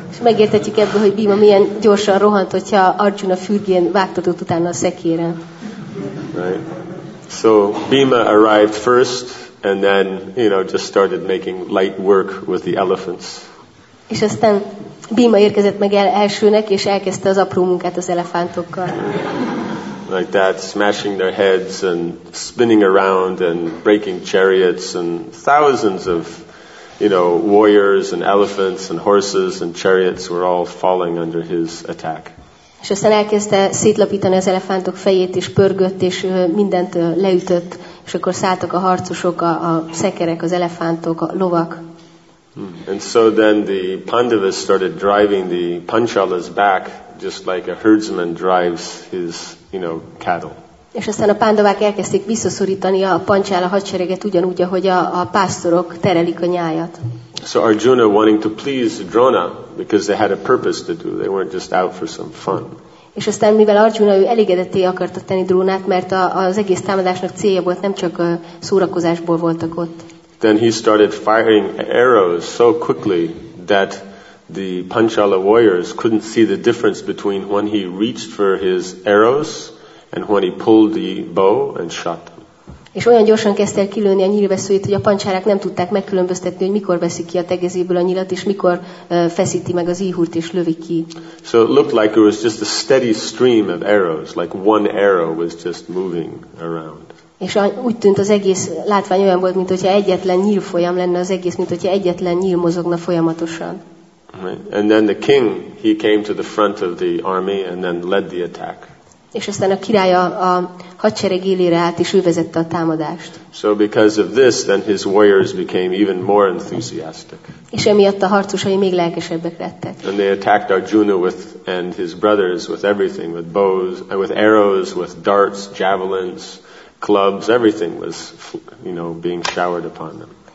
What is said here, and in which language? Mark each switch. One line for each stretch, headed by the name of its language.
Hungarian: És megérthetjük ebből, hogy Bhima milyen gyorsan rohant, hogyha Arjuna fürgén vágtatott utána a szekéren.
English: Right. So Bhima arrived first. And then, you know, just started making light work with the elephants.
Hungarian: És aztán Bhima érkezett meg elsőnek, és elkezdte az apró munkát az elefántokkal.
English: Like that, smashing their heads and spinning around and breaking chariots and thousands of, you know, warriors and elephants and horses and chariots were all falling under his attack.
Hungarian: És aztán elkezdte szétlapítani az elefántok fejét, és pörgött, és mindent leütött. És akkor szálltak a harcosok, a szekerek, az elefántok, a lovak.
English: And so then the Pandavas started driving the Panchalas back, just like a herdsman drives his, you know, cattle.
Hungarian: És aztán a Pandavák elkezdték visszaszorítani a Panchala hadsereget ugyanúgy, ahogy a pásztorok terelik a nyájat.
English: So Arjuna wanting to please Drona, because they had a purpose to do, they weren't just out for some fun.
Hungarian: És aztán, mivel Arjuna ő elégedetté akarta tenni Drónát, mert az egész támadásnak célja volt, nem csak szórakozásból voltak ott.
English: Then he started firing arrows so quickly that the Panchala warriors couldn't see the difference between when he reached for his arrows and when he pulled the bow and shot them.
Hungarian: És olyan gyorsan kezdte el kilőni a nyílveszőjét, hogy a pancsárák nem tudták megkülönböztetni, hogy mikor veszik ki a tegezéből a nyilat, és mikor feszíti meg az íhurt, és lövik ki.
English: So it looked like it was just a steady stream of arrows, like one arrow was just moving around.
Hungarian: És úgy tűnt az egész látvány olyan volt, mint hogyha egyetlen nyíl folyam lenne az egész, mint hogyha egyetlen nyíl mozogna folyamatosan.
English: And then the king, he came to the front of the army and then led the attack.
Hungarian: És aztán a király a hadsereg élére állt, és ő vezette a támadást.
English: So because of this, then his warriors became even more enthusiastic.
Hungarian: És emiatt a harcosai még lelkesebbek lettek.
English: And they attacked Arjuna with and his brothers with everything, with bows, with arrows, with darts, javelins, clubs, everything was, you know, being showered upon them.